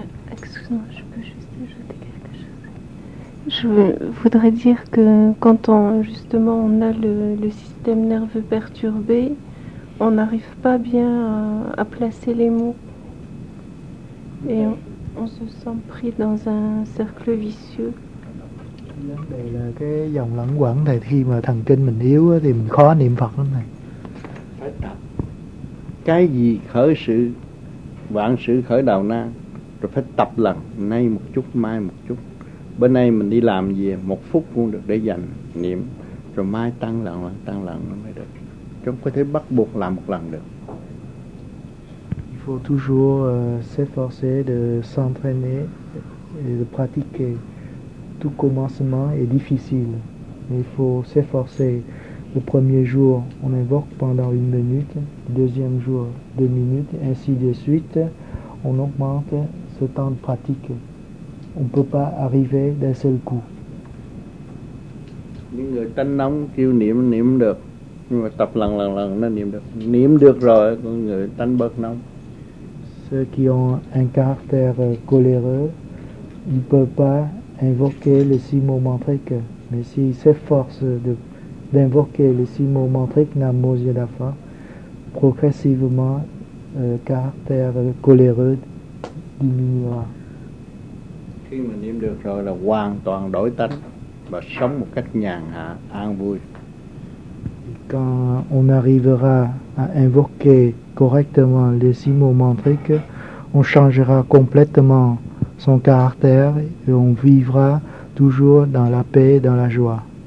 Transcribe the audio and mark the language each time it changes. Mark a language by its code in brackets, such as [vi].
[fr] Je peux juste ajouter quelque chose. Je voudrais dire que quand on a le système nerveux perturbé, on n'arrive pas bien à placer les mots. On se sent pris dans un cercle vicieux. [vi] Vấn đề là cái dòng lẩn quẩn này, khi mà thần kinh mình yếu thì mình khó niệm Phật lắm này. Phải tập. Cái gì khởi sự, vạn sự khởi đầu nan, rồi phải tập lần, nay một chút, mai một chút. Bữa nay mình đi làm gì, một phút cũng được để dành niệm, rồi mai tăng lần nó mới được. Chứ không có thể bắt buộc làm một lần được. [fr] Il faut toujours s'efforcer de s'entraîner et de pratiquer tout commencement est difficile. Il faut s'efforcer. Le premier jour, on invoque pendant une minute. Le deuxième jour, deux minutes. Ainsi de suite, on augmente ce temps de pratique. On ne peut pas arriver d'un seul coup. [vi] Những người tranh nóng kêu niệm niệm được, nhưng mà tập lần lần lần nó niệm được. Niệm được rồi, con người tranh bớt nóng. [fr] Ceux qui ont un caractère coléreux, ils ne peuvent pas invoquer les six mots mantriques. Mais s'ils s'efforcent d'invoquer les six mots mantriques, Namo Yadafa, progressivement, le caractère coléreux diminuera. [vi] Khi mà niệm được rồi là hoàn toàn đổi tánh và sống một cách nhàn hạ, an vui. [fr] Quand on arrivera à invoquer correctement les six mots mantriques, on changera complètement son caractère et on vivra toujours dans la paix et dans la joie.